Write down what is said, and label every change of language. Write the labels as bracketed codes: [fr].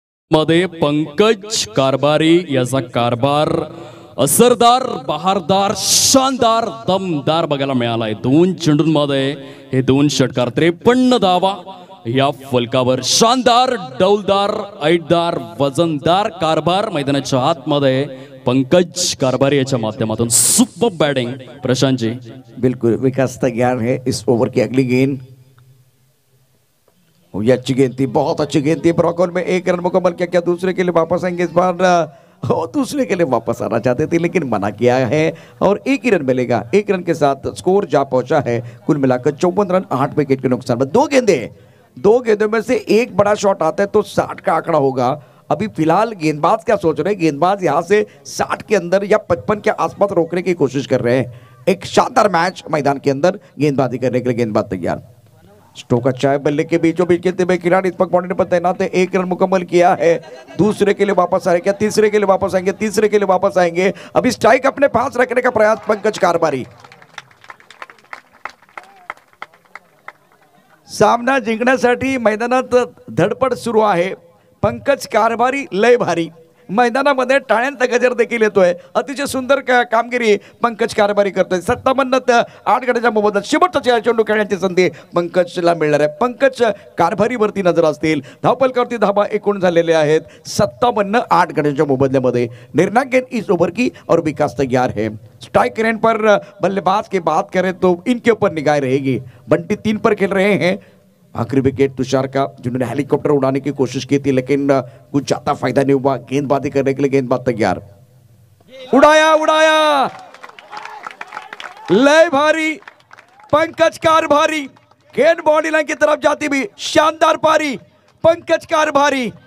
[mr] मध्ये पंकज कारबारी याचा कारभार असरदार, बहारदार, शानदार, दमदार बघायला मिळालाय. 2 चेंडूंमध्ये हे 2 षटकार, 53 धावा या फलकावर. शानदार, डौलदार, ऐटदार, वजनदार कारभार मैदानाच्या आतमध्ये पंकज कारबारी याच्या माध्यमातून. [en] Super batting Prashant ji. [hi] बिलकुल विकास तयार है. इस ओव्हर की अगली गेंद, अच्छी गेंद थी, बहुत अच्छी गेंद थी, ब्रॉकर में 1 रन मुकम्मल किया. क्या दूसरे के लिए वापस आएंगे इस बार? दूसरे के लिए वापस आना चाहते थे लेकिन मना किया है और 1 ही रन मिलेगा. 1 रन के साथ स्कोर जा पहुंचा है कुल मिलाकर 54 रन, 8 विकेट के नुकसान पर. दो गेंदों में से एक बड़ा शॉट आता है तो 60 का आंकड़ा होगा. अभी फिलहाल गेंदबाज क्या सोच रहे हैं, गेंदबाज यहाँ से 60 के अंदर या 55 के आसपास रोकने की कोशिश कर रहे हैं. एक शानदार मैच मैदान के अंदर, गेंदबाजी करने के लिए गेंदबाज तैयार. स्टोक अच्छा है, बल्ले के बीचों बीच खेलते हुए खिलाड़ी इस पक बॉन्डर पर तैनात है. 1 रन मुकम्मल किया है, दूसरे के लिए वापस आए क्या, तीसरे के लिए वापस आएंगे. अभी स्ट्राइक अपने पास रखने का प्रयास पंकज कारबारी. [mr] सामना जिंकण्यासाठी मैदानात धडपड़ सुरू आहे. पंकज कारबारी लय भारी, मैदानामध्ये टाळ्यांचा गजर देखील येतोय. अतिशय सुंदर कामगिरी पंकज कारबारी करतोय. 57-8 गड्याच्या मोबदल शेवटचा चेंडू खेळण्याची संधी पंकजला मिळणार आहे. पंकज कारभारी वरती नजर असतील, धावपल करती धाबा 19 झालेले आहेत 57-8 गड्याच्या मोबदल्यामध्ये. [hi] निर्णायक गेंद इस ओव्हर की और विकास तैयार है. स्ट्राइक रेंज पर बल्लेबाज की बात करें तो इनके ऊपर निगाह रहेगी. बंटी 3 पर खेल रहे हैं. आखिरी विकेट तुषार का, जिन्होंने हेलीकॉप्टर उड़ाने की कोशिश की थी लेकिन कुछ ज्यादा फायदा नहीं हुआ. गेंदबाजी करने के लिए गेंदबाज तैयार. उड़ाया लय भारी, पंकज कार भारी, गेंद बॉडी लाइन की तरफ जाती भी, शानदार पारी पंकज कार भारी.